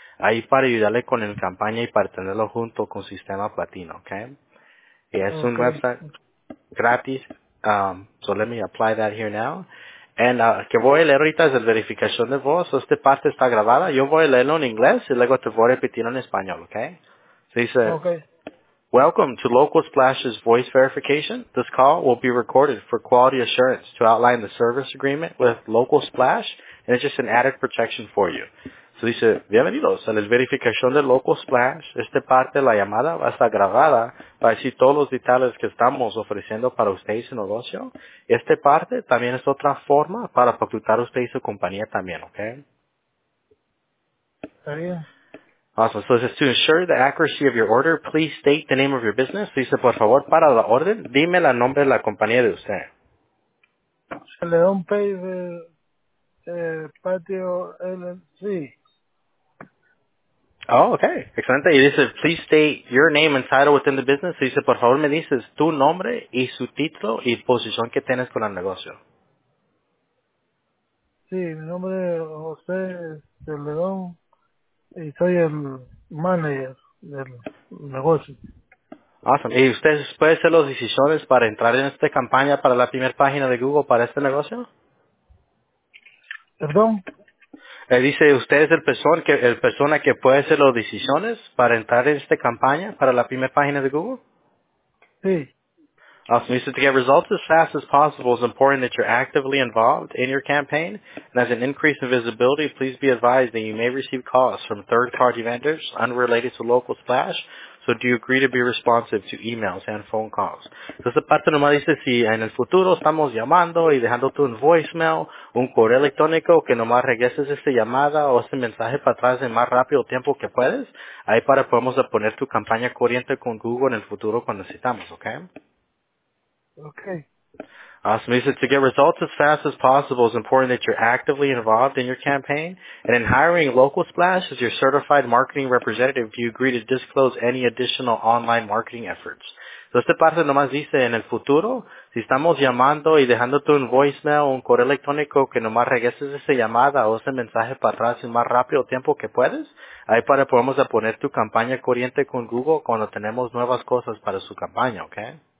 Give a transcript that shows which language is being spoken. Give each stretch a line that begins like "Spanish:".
Spanish: Ahí para ayudarle con la campaña y para tenerlo junto con Sistema Platino, ¿ok? Y es un website gratis.
English: So let me apply that here now.
Spanish: And que voy a leer ahorita es la verificación de voz. So esta parte está grabada. Yo voy a leerlo en inglés y luego te voy a repetir en español, ¿ok?
English: So dice, Welcome to Local Splash's voice verification. This call will be recorded for quality assurance to outline the service agreement with Local Splash. And it's just an added protection for you.
Spanish: So dice, bienvenidos a la verificación de Local Splash. Esta parte de la llamada va a estar grabada para decir todos los detalles que estamos ofreciendo para usted y su negocio. Esta parte también es otra forma para facultar usted y su compañía también, ¿ok?
English: Awesome. So it says, to ensure the accuracy of your order, please state the name of your business.
Spanish: So dice, por favor, para la orden, dime el nombre de la compañía de usted. León Pérez, Patio LLC.
English: Oh, okay. Excelente.
Spanish: Y dice,
English: please state your name and title within the business.
Spanish: Dice, por favor, me dices tu nombre y su título y posición que tienes con el negocio. Sí, mi nombre es José de León y soy el manager del negocio.
English: Awesome.
Spanish: ¿Y usted puede hacer las decisiones para entrar en esta campaña para la primera página de Google para este negocio? Perdón. Dice, ¿usted es el persona que puede hacer las decisiones para entrar en esta campaña para la primera página de Google? Sí.
English: Awesome. Dice, to get results as fast as possible, it's important that you're actively involved in your campaign. And as an increase in visibility, please be advised that you may receive calls from third-party vendors unrelated to Local Splash. So do you agree to be responsive to emails and phone calls?
Spanish: Entonces, aparte nomás dice, si en el futuro estamos llamando y dejando tú un voicemail, un correo electrónico, que nomás regreses esta llamada o este mensaje para atrás en más rápido tiempo que puedes, ahí para podemos poner tu campaña corriente con Google en el futuro cuando necesitamos, ¿ok?
English: Ok. Awesome. He said, to get results as fast as possible, it's important that you're actively involved in your campaign. And in hiring Local Splash as your certified marketing representative, do you agree to disclose any additional online marketing efforts?
Spanish: So, esta parte nomás dice, en el futuro, si estamos llamando y dejándote un voicemail o un correo electrónico, que nomás regreses esa llamada o ese mensaje para atrás en más rápido tiempo que puedes, ahí para podemos poner tu campaña corriente con Google cuando tenemos nuevas cosas para su campaña, okay?